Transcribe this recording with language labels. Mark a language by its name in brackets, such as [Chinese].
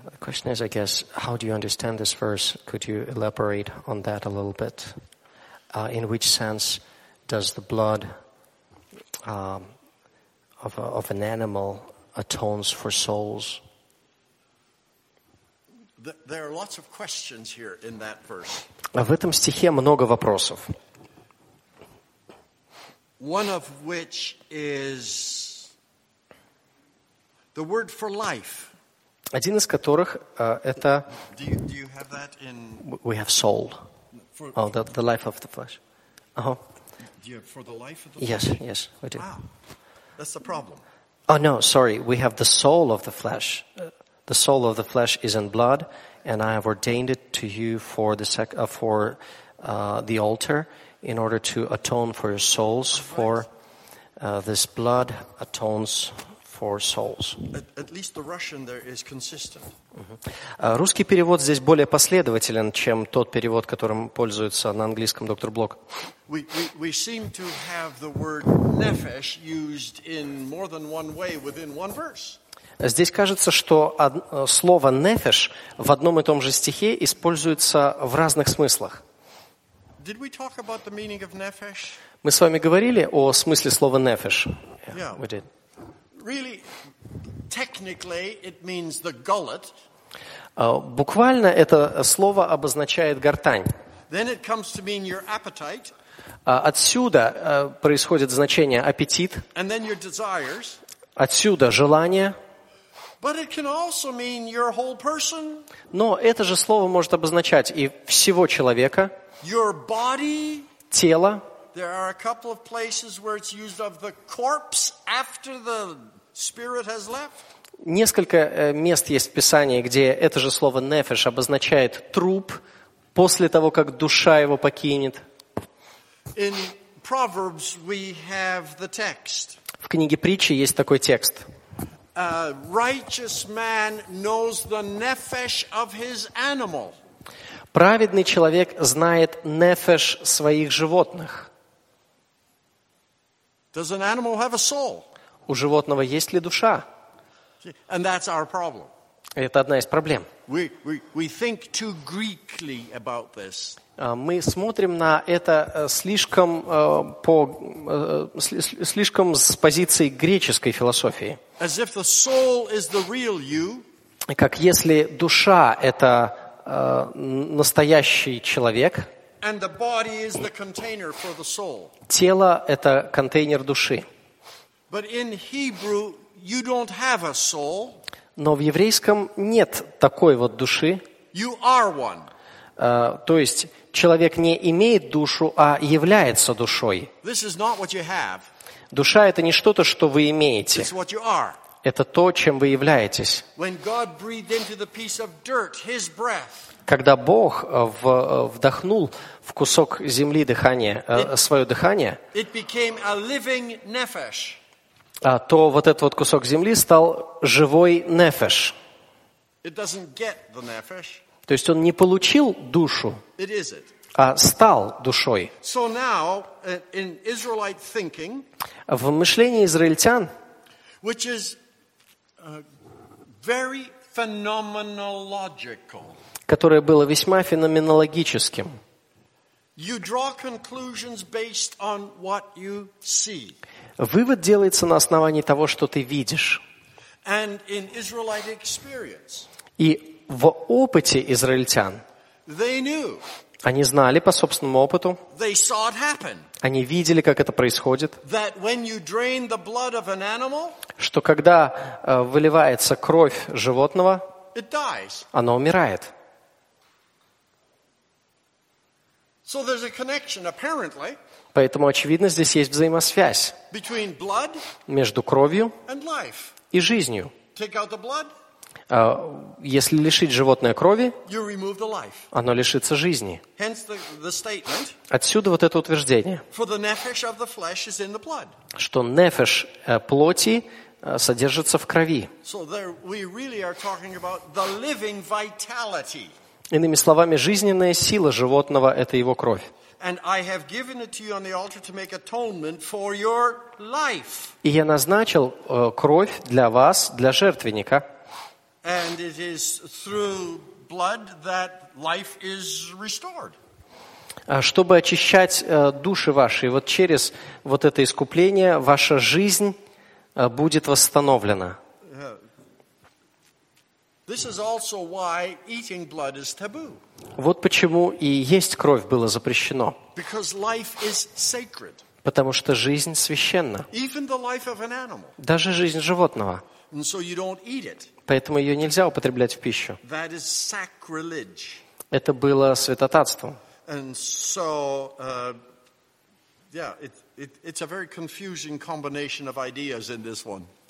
[English] The question is, I guess, how do you understand this verse? Could you elaborate on that a little bit? In which sense does the blood of an animal atones for souls? There are lots of questions here in that verse. [Russian] В этом стихе много вопросов. [English] One of which is the word for life. [Russian] Один из которых это. [English] Do you have that in? We have soul. For, oh, the life of the flesh. Uh huh. Do you have for the life of the yes, flesh? Yes, we do. Wow, that's the problem. Oh no, sorry. We have the soul of the flesh. The soul of the flesh is in blood, and I have ordained it to you for the the altar in order to atone for your souls. Okay. For this blood atones. For souls. At least the Russian there is consistent. [Russian] Русский перевод здесь более последователен, чем тот перевод, которым пользуется на английском доктор Блок. [English] We seem to have the word nefesh used in more than one way within one verse. [Russian] Здесь кажется, что слово nefesh в одном и том же стихе используется в разных смыслах. [English] Did we talk about the meaning of nefesh? [Russian] Мы с вами говорили о смысле слова nefesh. [English] Yeah, we did. Really, technically, it means the gullet. [Russian] Буквально это слово обозначает гортань. [English] Then it comes to mean your appetite. [Russian] Отсюда происходит значение аппетит. [English] And then your desires. [Russian] Отсюда желание. [English] But it can also mean your whole person. [Russian] Но это же слово может обозначать и всего человека. [English] Your body. [Russian] Тело. [English] There are a couple of places where it's used of the corpse after the spirit has left. [Russian] Несколько мест есть в Писании, где это же слово nefesh обозначает труп после того, как душа его покинет. [English] In Proverbs we have the text. [Russian] В книге Притчи есть такой текст. [English] A righteous man knows the nefesh of his animal. [Russian] Праведный человек знает нефеш своих животных. [English] Does an animal have a soul? [Russian] У животного есть ли душа? [English] And that's our problem. [Russian] Это одна из проблем. [English] We think too greekly about this. [Russian] Мы смотрим на это слишком, слишком с позиции греческой философии. [English] As if the soul is the real you. [Russian] Как если душа – это настоящий человек. [English] And the body is the container for the soul. [Russian] Тело – это контейнер души. [English] But in Hebrew, you don't have a soul. [Russian] Но в еврейском нет такой вот души. [English] You are one. [Russian] То есть человек не имеет душу, а является душой. [English] This is not what you have. [Russian] Душа – это не что-то, что вы имеете. [English] It's what you are. [Russian] Это то, чем вы являетесь. [English] When God breathed into the piece of dirt, his breath. [Russian] Когда Бог вдохнул в кусок земли дыхание, свое дыхание, [English] it became a living nefesh. [Russian] То вот этот вот кусок земли стал живой нефеш. [English] It doesn't get the nefesh. [Russian] То есть он не получил душу, [English] it is it. [Russian] А стал душой. [English] So now, in Israelite thinking, [Russian] в мышлении израильтян, [English] which is very phenomenological, [Russian] которое было весьма феноменологическим. [English] You draw conclusions based on what you see. [Russian] Вывод делается на основании того, что ты видишь. [English] And in Israelite experience, [Russian] и в опыте израильтян, [English] they knew. [Russian] Они знали по собственному опыту. [English] They saw it happen. [Russian] Они видели, как это происходит. [English] That when you drain the blood of an animal, [Russian] что когда выливается кровь животного, [English] it dies. [Russian] Оно умирает. [English] So there's a connection, apparently, [Russian] поэтому, очевидно, здесь есть взаимосвязь [English] between blood [Russian] между кровью [English] and life. [Russian] И жизнью. [English] Take out the blood, [Russian] если лишить животное крови, [English] you remove the life. [Russian] Оно лишится жизни. [English] Hence the statement, [Russian] отсюда вот это утверждение, [English] for the nefesh of the flesh is in the blood. [Russian] Что нефеш плоти содержится в крови. [English] So there we really are talking about the living vitality. [Russian] Иными словами, жизненная сила животного – это его кровь. [English] And I have given it to you on the altar to make atonement for your life. [Russian] И я назначил кровь для вас, для жертвенника. [English] And it is through blood that life is restored. [Russian] Чтобы очищать души ваши, вот через вот это искупление ваша жизнь будет восстановлена. [English] This is also why eating blood is taboo. [Russian] Вот почему и есть кровь было запрещено. [English] Because life is sacred. [Russian] Потому что жизнь священна. [English] Even the life of an animal. [Russian] Даже жизнь животного. [English] And so you don't eat it. [Russian] Поэтому ее нельзя употреблять в пищу. [English] That is sacrilege. [Russian] Это было святотатством. [English] And so, yeah, it's a very confusing combination of ideas in this one.